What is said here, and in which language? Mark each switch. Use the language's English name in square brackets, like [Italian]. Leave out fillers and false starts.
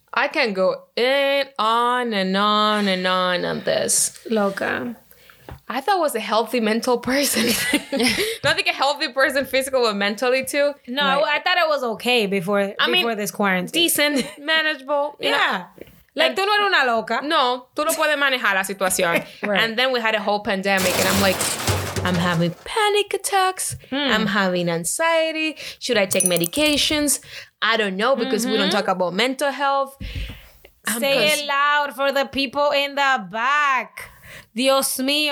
[English] I can go in on and on and on this. [Spanish] Loca. [English] I thought I was a healthy mental person. Not like a healthy person physical, but mentally too. No, right. I thought it was okay before this quarantine. Decent, manageable. [Spanish] Yeah. Like, tú no eres una loca. No, tú no puedes manejar la situación. [English] Right. And then we had a whole pandemic and I'm like, I'm having panic attacks. I'm having anxiety. Should I take medications? I don't know, because we don't talk about mental health. Say it loud for the people in the back. [Spanish] Dios mío.